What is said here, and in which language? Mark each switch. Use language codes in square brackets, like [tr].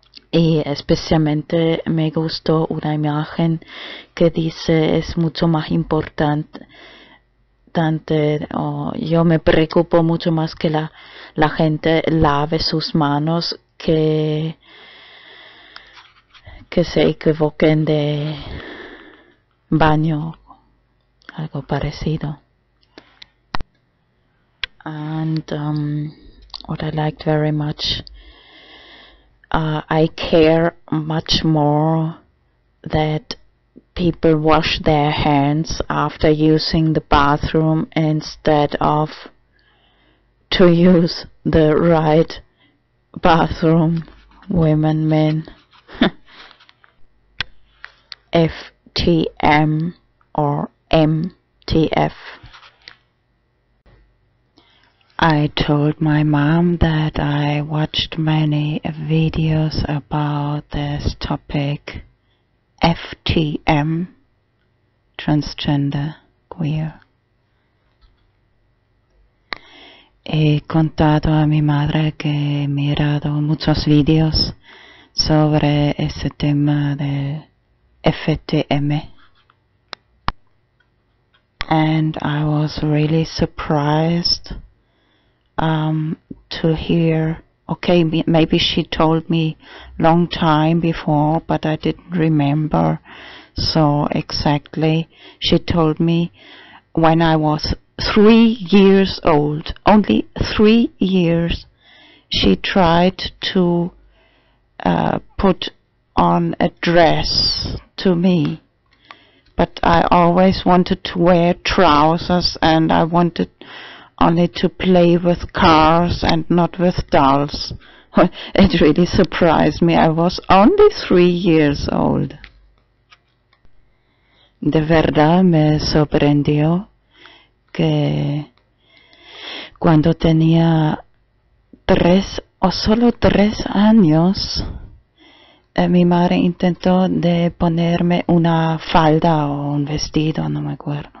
[es] Y especialmente me gustó una imagen que dice es mucho más importante, yo me preocupo mucho más que la gente lave sus manos que se equivoquen de baño, algo parecido. [en] And what I liked very much, I care much more that people wash their hands after using the bathroom instead of to use the right bathroom, women, men. FTM or MTF. I told my mom that I watched many videos about this topic, FTM, transgender, queer. [es] He contado a mi madre que he mirado muchos videos sobre ese tema de FTM. [en] And I was really surprised to hear, okay, maybe she told me long time before, but I didn't remember so exactly. She told me when I was 3 years old, only 3 years, she tried to put on a dress to me, but I always wanted to wear trousers and I wanted only to play with cars and not with dolls. It really surprised me. I was only 3 years old. [es] De verdad me sorprendió que cuando tenía tres o solo tres años, mi madre intentó de ponerme una falda o un vestido, no me acuerdo.